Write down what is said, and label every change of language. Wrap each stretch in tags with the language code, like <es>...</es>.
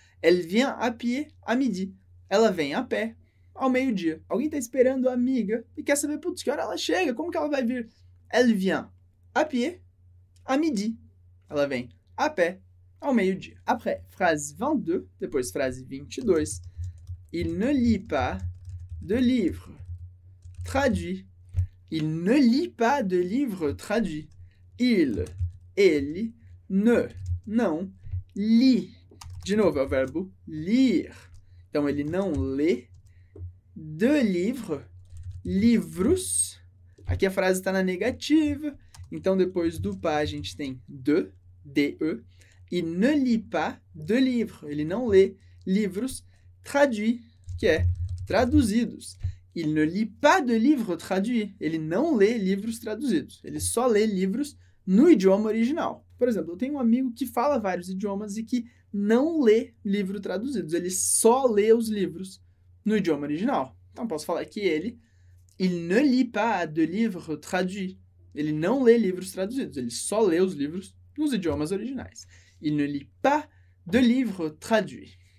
<fr>Elle vient à pied à midi.</fr> <pt>Ela vem a pé. Ao meio-dia. Alguém está esperando a amiga e quer saber, putz, que hora ela chega? Como que ela vai vir?</pt> <fr>Elle vient à pied à midi.</fr> <pt>Ela vem a pé ao meio-dia. Après, frase 22, depois frase 22.</pt> <fr>Il ne lit pas de livre traduit. Il ne lit pas de livre traduit.</fr> <pt>Ele, não, lit. De novo, é o verbo lire. Então, ele não lê. De livre, livros. Aqui a frase está na negativa. Então, depois do pas, a gente tem de, de.</pt> <fr>Il ne lit pas de livre.</fr> <pt>Ele não lê livros traduits, que é traduzidos. Ele não lê</pt> <fr>pas de livre traduit.</fr> <pt>Ele não lê livros traduzidos. Ele só lê livros no idioma original. Por exemplo, eu tenho um amigo que fala vários idiomas e que não lê livros traduzidos. Ele só lê os livros no idioma original. Então, posso falar que ele...</pt> <fr>Il ne lit pas de livres traduits.</fr> <pt>Ele não lê livros traduzidos. Ele só lê os livros nos idiomas originais.</pt> <fr>Il ne lit pas de livres traduits.</fr>